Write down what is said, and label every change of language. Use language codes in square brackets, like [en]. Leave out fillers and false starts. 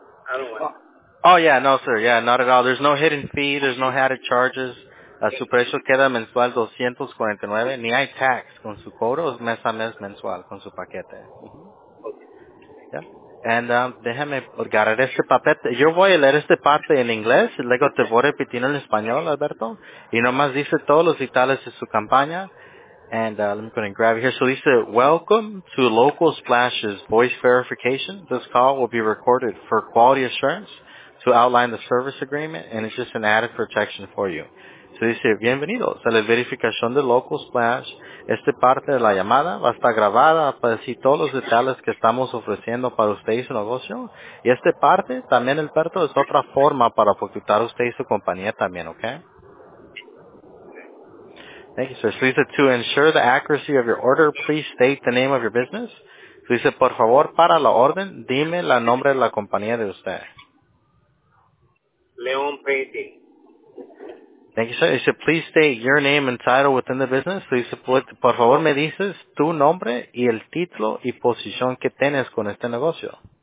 [en] I don't want. Oh, yeah, no, sir. Yeah, not at all. There's no hidden fee. There's no added charges. [es] Su precio queda mensual 249. Ni hay tax con su cobro. Es mes a mes mensual con su paquete. [en] Okay. Yeah. And [es] déjame agarrar este papel. Yo voy a leer esta parte en inglés y luego te voy a repetir en español, Alberto. Y nomás dice todos los detalles de su campaña. [en] And let me go ahead and grab it here. So Lisa, welcome to Local Splash's voice verification. This call will be recorded for quality assurance to outline the service agreement, and it's just an added protection for you. [es] So Lisa, bienvenidos a la verificación de Local Splash. Esta parte de la llamada va a estar grabada para decir todos los detalles que estamos ofreciendo para usted y su negocio. Y esta parte, también el perto, es otra forma para facultar usted y su compañía también, ¿ok? [en] Thank you, sir. So Lisa, to ensure the accuracy of your order, please state the name of your business. [es] So Lisa, por favor, para la orden, dime la nombre de la compañía de usted. [en] León Painting. Thank you, sir. Lisa, please state your name and title within the business. [es] So Lisa, por favor, me dices tu nombre y el título y posición que tienes con este negocio.